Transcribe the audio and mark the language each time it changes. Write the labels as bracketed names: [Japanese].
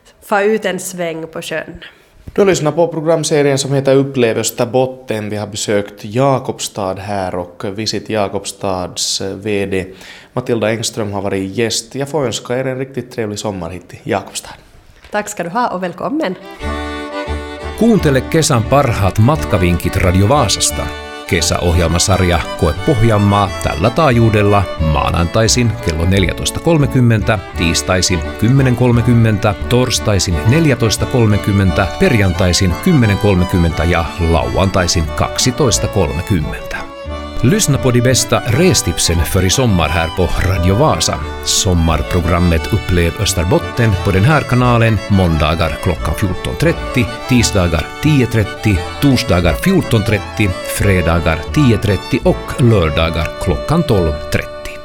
[Swedish] få ut en sväng på sjön. Du lyssnar på programserien som heter Upplev Österbotten. Vi har besökt Jakobstad här och Visit Jakobstads vd Matilda Engström har varit gäst. Jag får önska er en riktigt trevlig sommar hit i Jakobstad. Tack ska du ha och välkommen. [Finnish] Kuuntele kesän parhaat matkavinkit Radio Vaasasta. Kesäohjelmasarja Koe Pohjanmaa tällä taajuudella maanantaisin kello 14.30, tiistaisin 10.30, torstaisin 14.30, perjantaisin 10.30 ja lauantaisin 12.30. [Swedish] Lyssna på de bästa restipsen för i sommar här på Radio Vaasa. Sommarprogrammet Upplev Österbotten på den här kanalen måndagar klockan 14.30, tisdagar 10.30, torsdagar 14.30, fredagar 10.30 och lördagar klockan 12.30.